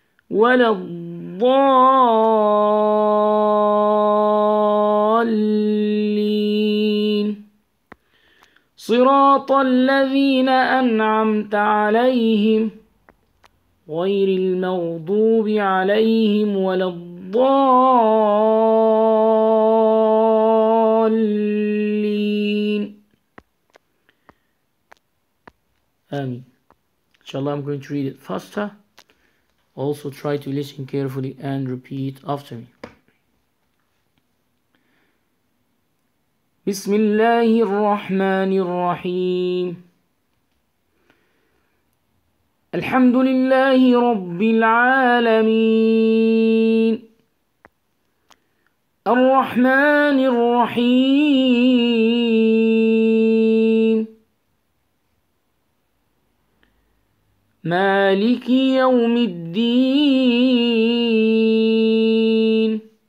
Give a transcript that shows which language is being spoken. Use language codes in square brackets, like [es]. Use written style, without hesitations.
[ar] ولا الضالين صراط الذين أنعمت عليهم غير المغضوب عليهم ولا الضالين آمين. [en] Inshallah, I'm going to read it faster. Also try to listen carefully and repeat after me. [ar] بسم الله الرحمن الرحيم الحمد لله رب العالمين الرحمن الرحيم مالك يوم الدين